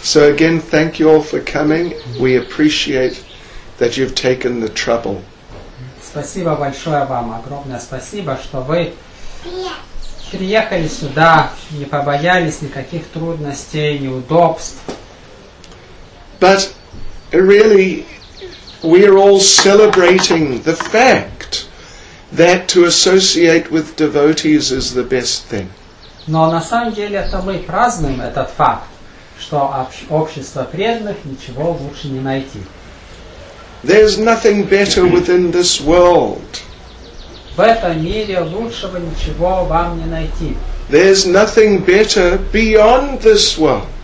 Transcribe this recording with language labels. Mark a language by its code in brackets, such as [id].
[en] So again, thank you all for coming. We appreciate that you've taken the trouble. [ru] Спасибо большое вам. Огромное спасибо, что вы... приехали сюда, не побоялись никаких трудностей, неудобств. [en] But really, we are all celebrating the fact that to associate with devotees is the best thing. [ru] Но на самом деле это мы празднуем этот факт, что общество преданных ничего лучше не найти. [en] There's nothing better within this world. [ru] В этом мире лучшего ничего вам не найти. [en] There's nothing better beyond this world.